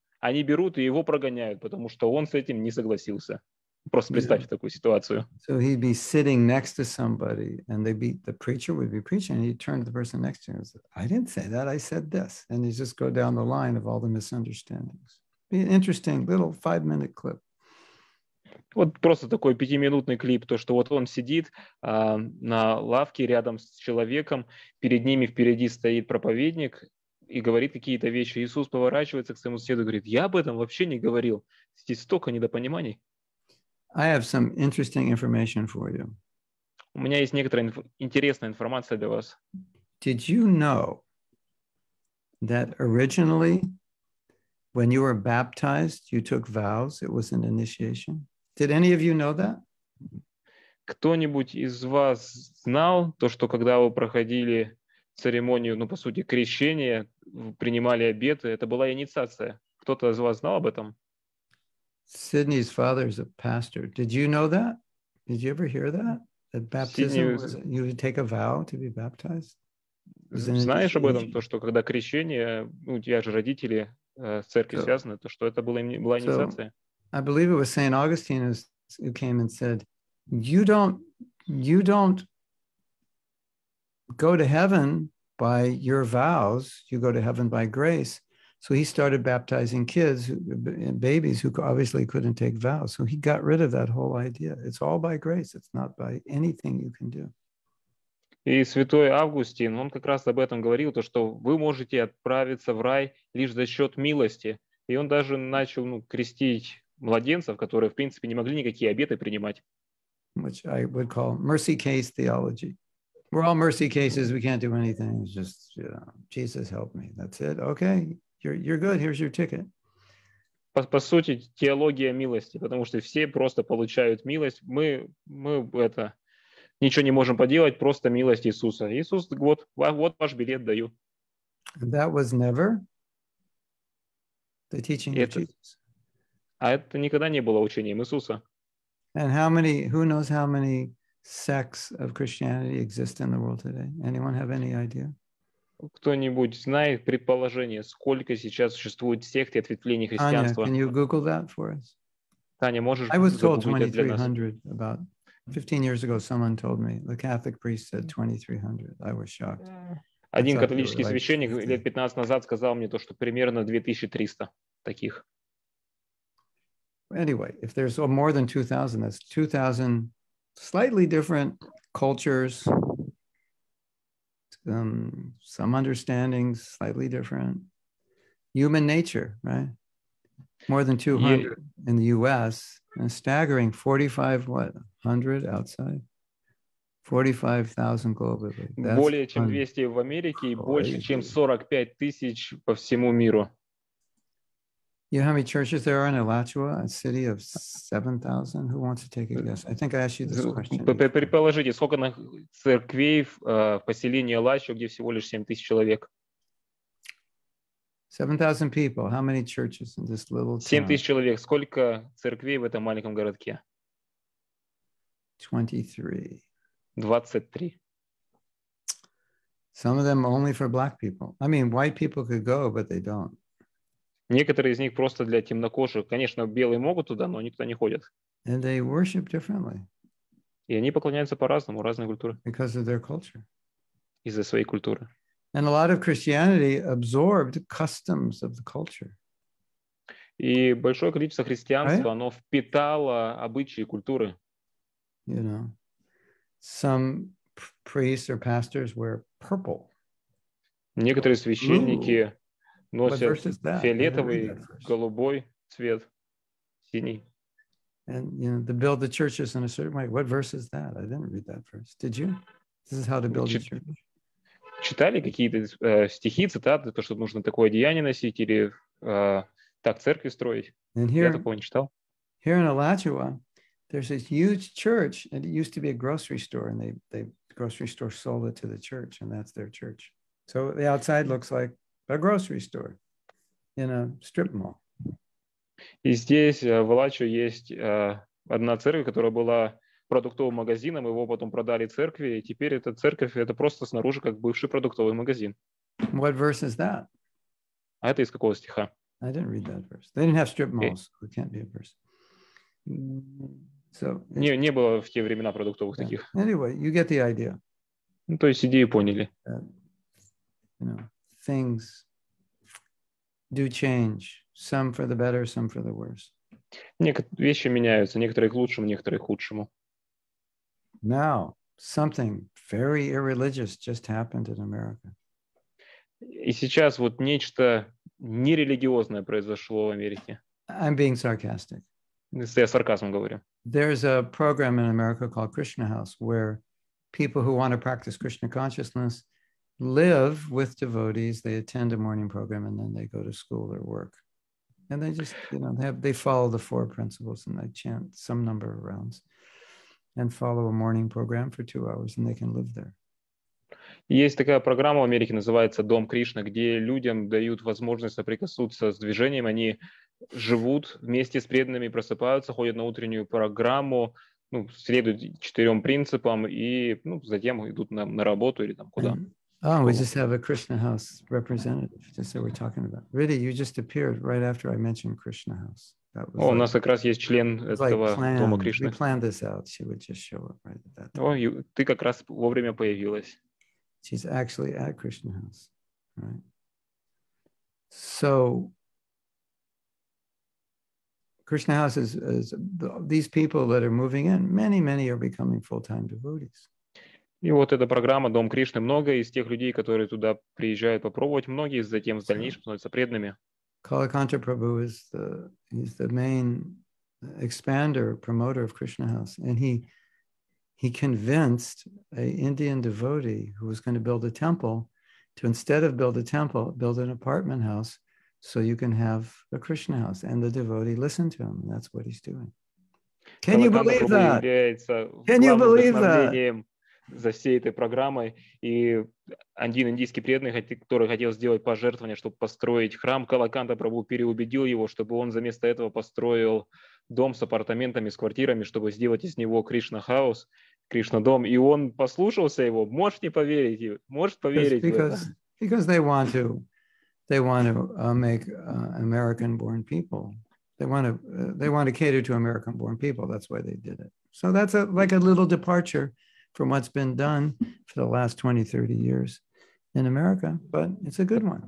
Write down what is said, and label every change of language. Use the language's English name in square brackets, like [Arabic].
[Russian] Они берут и его прогоняют, потому что он с этим не согласился. Просто представьте такую ситуацию. [English] So he'd be sitting next to somebody, and the preacher would be preaching, and he'd turn to the person next to him and say, I didn't say that, I said this. And he'd just go down the line of all the misunderstandings. Be an interesting little 5-minute clip. [Russian] Вот просто такой 5-минутный клип, то, что вот он сидит на лавке рядом с человеком, перед ними впереди стоит проповедник и говорит какие-то вещи. Иисус поворачивается к своему соседу и говорит, я об этом вообще не говорил. Здесь столько недопониманий. [English] I have some interesting information for you. [Russian] У меня есть некоторая интересная информация для вас. [English] Did you know that originally when you were baptized, you took vows, it was an initiation? Did any of you know that? [Russian] Кто-нибудь из вас знал то, что когда вы проходили церемонию, ну, по сути, крещение, принимали обеты, это была инициация? Кто-то из вас знал об этом? [English] Sydney's father is a pastor. Did you know that? Did you ever hear that? That baptism was, you would take a vow to be baptized? [Russian] Знаешь об этом, то, что когда крещение, ну, у тебя же родители с церкви связаны, то, что это была инициация? [English] I believe it was St. Augustine who came and said, you don't go to heaven by your vows, you go to heaven by grace. So he started baptizing kids, babies who obviously couldn't take vows. So he got rid of that whole idea. It's all by grace. It's not by anything you can do. [Russian] И святой Августин, он как раз об этом говорил, то, что вы можете отправиться в рай лишь за счет милости. И он даже начал, ну, крестить младенцев, которые, в принципе, не могли никакие обеты принимать. [English] Which I would call mercy case theology. We're all mercy cases, we can't do anything. It's just, you know, Jesus help me. That's it. Okay, you're good, here's your ticket. [Russian] По сути, теология милости, потому что все просто получают милость. Мы это ничего не можем поделать, просто милость Иисуса. Иисус, вот ваш билет даю. [English] That was never the teaching of Jesus. [Russian] А это никогда не было учением Иисуса. [English] And how many, who knows how many sects of Christianity exist in the world today? Anyone have any idea? [Russian] Кто-нибудь знает предположение, сколько сейчас существует сект и ответвлений христианства? [English] Таня, can you Google that for us? [Russian] Таня, можешь [English] I was told 2300 about 15 years ago someone told me. The Catholic priest said 2300. I was shocked. [Russian] Один католический священник лет 15 назад сказал мне то, что примерно 2300 таких. [English] Anyway, if there's more than 2,000, that's 2,000 slightly different cultures, some understandings slightly different. Human nature, right? More than 200 in the U.S. and staggering 4,500 outside. 45,000 globally. That's [Russian] более чем 200 в Америке и больше чем 45 тысяч по всему миру. [English] You know how many churches there are in Alachua, a city of 7,000? Who wants to take a guess? I think I asked you this question. [Russian] Предположите, сколько на церквей в поселении Алачуа, где всего лишь 7,000 человек? [English] 7,000 people. How many churches in this little town? 7,000 [Russian] человек. Сколько церквей в этом маленьком городке? [English] 23. Some of them only for black people. I mean, white people could go, but they don't. [Russian] Некоторые из них просто для темнокожих. Конечно, белые могут туда, но никто не ходит. [English] And they worship differently. [Russian] И они поклоняются по-разному, разной культуре. [English] Because of their culture. [Russian] Из-за своей культуры. [English] And a lot of Christianity absorbed customs of the culture. [Russian] И большое количество христианства, [English] right? [Russian] Оно впитало обычаи культуры. [English] You know, some priests or pastors wear purple. [Russian] Некоторые священники носят фиолетовый, голубой цвет, синий. [English] And you know, to build the churches in a certain way. What verse is that? I didn't read that verse. Did you? This is how to build a church. [Russian] Читали какие-то стихи, цитаты, то, что нужно такое одеяние носить или так церкви строить? [English] Here, [Russian] я такого не читал. [English] Here in Alachua, there's this huge church, and it used to be a grocery store, and they grocery store sold it to the church, and that's their church. So the outside looks like a grocery store in a strip mall. [Russian] И здесь в Алачуа есть одна церковь, которая была продуктовым магазином, его потом продали церкви, и теперь эта церковь — это просто снаружи как бывший продуктовый магазин. [English] What verse is that? [Russian] А это из какого стиха? [English] I didn't read that verse. They didn't have strip malls. It can't be a verse. So, [Russian] не было в те времена продуктовых таких. [English] Anyway, you get the idea. [Russian] Ну, то есть идею поняли. [English] You know, things do change. Some for the better, some for the worse. [Russian] Вещи меняются. Некоторые к лучшему, некоторые к худшему. [English] Now, something very irreligious just happened in America. [Russian] И сейчас вот нечто нерелигиозное произошло в Америке. [English] I'm being sarcastic. [Russian] Я с сарказмом говорю. [English] There's a program in America called Krishna House, where people who want to practice Krishna consciousness live with devotees, they attend a morning program, and then they go to school or work. And they just, you know, they follow the four principles, and they chant some number of rounds. And follow a morning program for 2 hours, and they can live there. [Russian] Есть такая программа в Америке, называется «Дом Кришна», где людям дают возможность соприкоснуться с движением. Они живут вместе с преданными, просыпаются, ходят на утреннюю программу, ну, следуют четырем принципам, и ну, затем идут на работу или там куда. [English] Oh, we just have a Krishna House representative, just that we're talking about. Really, you just appeared right after I mentioned Krishna House. [Russian] О, у нас как раз есть член этого дома Кришны. [English] We planned this out. She would just show up right at that. [Russian] О, ты как раз вовремя появилась. [English] She's actually at Krishna House, right? So Krishna House is these people that are moving in. Many, many are becoming full-time devotees. [Russian] И вот эта программа «Дом Кришны» — много из тех людей, которые туда приезжают попробовать, многие затем в дальнейшем становятся преданными. [English] Kalakantra Prabhu is the main expander, promoter of Krishna House, and he convinced an Indian devotee who was going to build a temple to, instead of build a temple, build an apartment house so you can have a Krishna House. And the devotee listened to him, and that's what he's doing. Can you believe that? Can you believe that? [Russian] За всей этой программой, и один индийский преданный, который хотел сделать пожертвование, чтобы построить храм, Калаканта Прабху переубедил его, чтобы он вместо этого построил дом с апартаментами, с квартирами, чтобы сделать из него Кришна-хаус, Кришна-дом, и он послушался его. Можете поверить? Можете поверить [English] because, [Russian] в это? [English] Because they want to make American-born people. They want to cater to American-born people. That's why they did it. So that's like a little departure from what's been done for the last 20-30 years in America, but it's a good one.